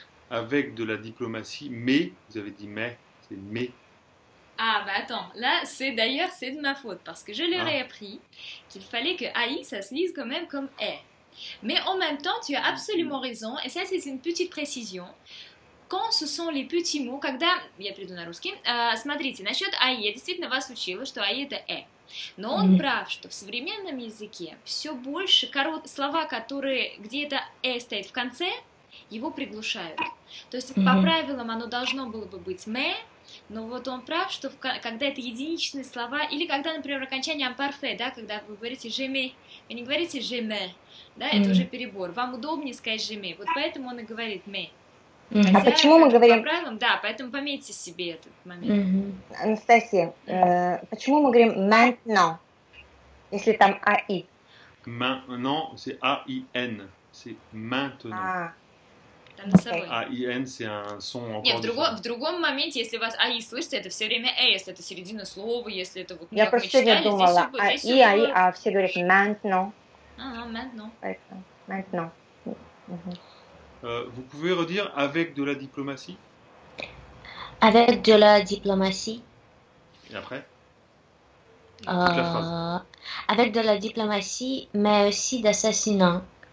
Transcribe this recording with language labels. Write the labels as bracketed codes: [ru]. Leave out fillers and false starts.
[fr] Avec de la diplomatie, mais, vous avez dit mais, c'est mais. Ah bah attends, là c'est d'ailleurs c'est de ma faute parce que je leur ai appris qu'il fallait que AI ça se lise quand même comme est. Mais en même temps, tu as absolument raison et ça c'est une petite précision. Quand ce sont les petits mots, [ru] когда, я перейду на русский, смотрите, насчет «ай», я действительно вас учила, что «ай» это «э». Но он прав, что в современном языке все больше слова, которые где-то «э» стоит в конце, его приглушают. То есть по правилам оно должно было бы быть «мэ», но вот он прав, что когда это единичные слова, или когда, например, окончание «ампарфе», да, когда вы говорите «жеме», вы не говорите «жеме», да, это уже перебор, вам удобнее сказать «жеме», вот поэтому он и говорит «мэ». Хотя, а почему мы говорим... По правилам, да, поэтому пометьте себе этот момент. Анастасия, почему мы говорим «maintenant», если там «а-и»? [fr] «Maintenant», c'est «а-и-н». C'est maintenant. Ah, okay. А-ин, c'est un son encore [ru] Нет, в другом моменте, если у вас аи слышите, это все время э, если это середина слова, если это вот... Я просто сегодня думала, аи, аи, а все говорят maintenant. [fr] Maintenant. Vous pouvez redire avec de la diplomatie? Avec de la diplomatie. Et après? Avec de la diplomatie, mais aussi d'assassinat.